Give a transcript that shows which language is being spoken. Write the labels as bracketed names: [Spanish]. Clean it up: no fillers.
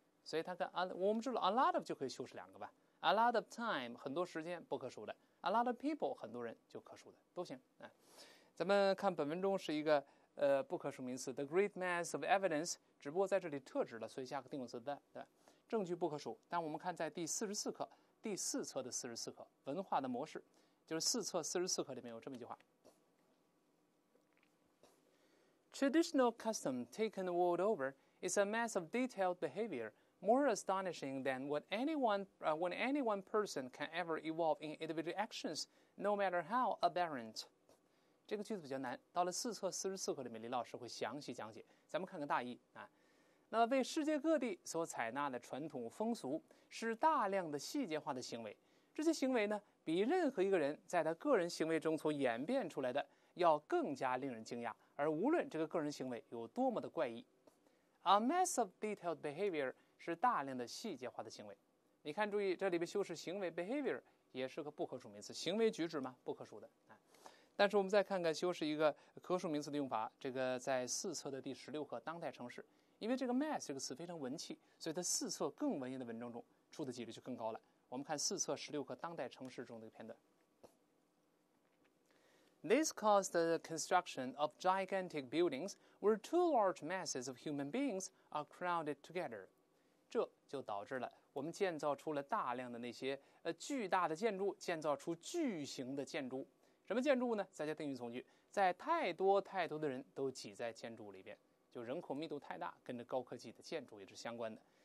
[Chinese] 所以它跟 我们知道 [English] a lot of [Chinese] 就可以修饰两个吧。 [English] a lot of time [Chinese] 很多时间不可数的， [English] a lot of people [Chinese] 很多人就可数的都行、咱们看本文中是一个不可数名词 [English] the great mass of evidence， [Chinese] 只不过在这里特指了，所以加个定冠词 the， 对，证据不可数。但我们看在第44课第四册的44课文化的模式，就是四册44课里面有这么一句话。 [English] Traditional custom taken the world over is a mass of detailed behavior more astonishing than what any one person can ever evolve in individual actions, no matter how aberrant. [Chinese] 这个句子比较难，到了四册44课里面，李老师会详细讲解。咱们看看大意啊。那为世界各地所采纳的传统风俗是大量的细节化的行为，这些行为呢，比任何一个人在他个人行为中所演变出来的要更加令人惊讶，而无论这个个人行为有多么的怪异。 [English] A mass of detailed behavior [Chinese] 是大量的细节化的行为，你看注意这里边修饰行为 behavior 也是个不可数名词，行为举止嘛，不可数的。但是我们再看看修饰一个可数名词的用法，这个在四册的第16课当代城市，因为这个 mass 这个词非常文气，所以它四册更文言的文章中出的几率就更高了。我们看四册16课当代城市中的一个片段。 [English] This caused the construction of gigantic buildings where two large masses of human beings are crowded together. [Chinese] 这就导致了我们建造出了大量的那些巨大的建筑，建造出巨型的建筑。什么建筑呢？再加定语从句，在太多太多的人都挤在建筑里边，就人口密度太大，跟着高科技的建筑也是相关的。